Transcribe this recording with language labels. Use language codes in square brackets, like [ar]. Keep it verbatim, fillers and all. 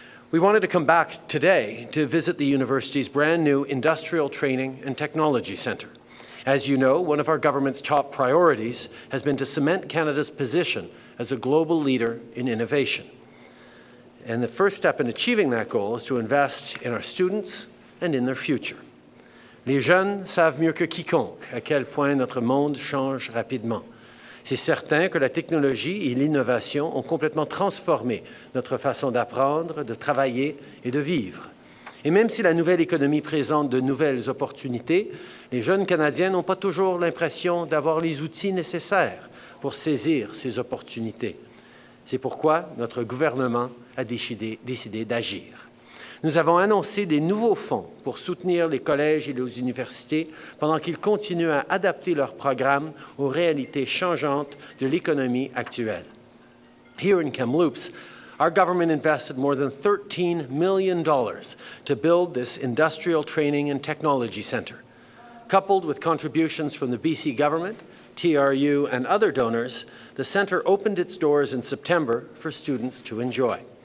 [en] We wanted to come back today to visit the university's brand new Industrial Training and Technology Centre. As you know, one of our government's top priorities has been to cement Canada's position as a global leader in innovation. And the first step in achieving that goal is to invest in our students and in their future. [fr] Les jeunes savent mieux que quiconque à quel point notre monde change rapidement. C'est certain que la technologie et l'innovation ont complètement transformé notre façon d'apprendre, de travailler et de vivre. Et même si la nouvelle économie présente de nouvelles opportunités, les jeunes Canadiens n'ont pas toujours l'impression d'avoir les outils nécessaires pour saisir ces opportunités. C'est pourquoi notre gouvernement a décidé, décidé d'agir. Nous avons annoncé des nouveaux fonds pour soutenir les collèges et les universités pendant qu'ils continuent à adapter leurs programmes aux réalités changeantes de l'économie actuelle. [en] Here in Kamloops, our government invested more than thirteen million dollars to build this Industrial Training and Technology Centre. Coupled with contributions from the B C government, T R U and other donors, the centre opened its doors in September for students to enjoy.